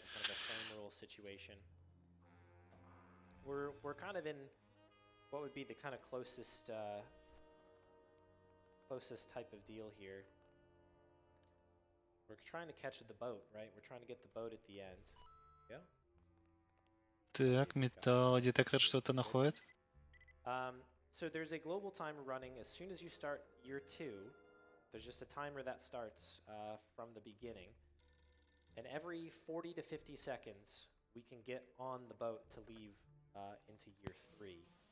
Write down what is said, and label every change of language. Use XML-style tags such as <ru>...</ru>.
<en>Kind of a frame rule situation. We're kind of in what would be the kind of closest. Closest type of deal here. We're trying to catch the boat, right? We're trying to get the boat at the end. Yeah.</en> <ru>Так, металл детектор что-то находит.</ru> <en>So there's a global timer running as soon as you start year two. There's just a timer that starts from the beginning, and every 40 to 50 seconds we can get on the boat to leave into year three.</en>